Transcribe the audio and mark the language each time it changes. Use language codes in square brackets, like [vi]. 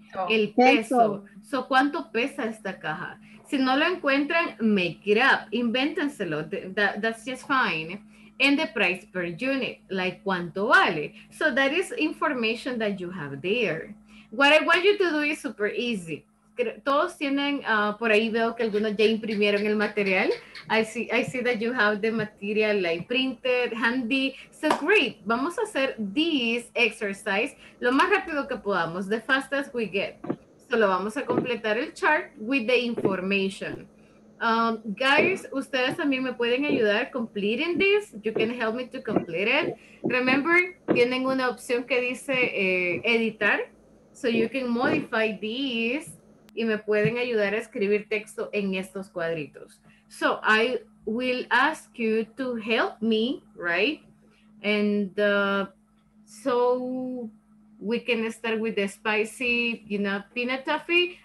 [es] El peso. So, ¿cuánto pesa esta caja? Si no lo encuentran, [en] make it up. [es] Invéntenselo. [en] That's just fine. And the price per unit. [es] Like, ¿cuánto vale? [en] So, that is information that you have there. What I want you to do is super easy. [es] Todos tienen, por ahí veo que algunos ya imprimieron el material. [en] I see that you have the material like printed, handy. So great, [es] vamos a hacer [en] this exercise [es] lo más rápido que podamos, [en] the fastest we get. [es] Solo vamos a completar el chart [en] with the information. [es] Guys, ustedes también me pueden ayudar [en] completing this. You can help me to complete it. Remember, [es] tienen una opción que dice editar. [en] So you can modify this. [es] Y me pueden ayudar a escribir texto en estos cuadritos. [en] So, I will ask you to help me, right? And so, we can start with the spicy, you know, peanut toffee.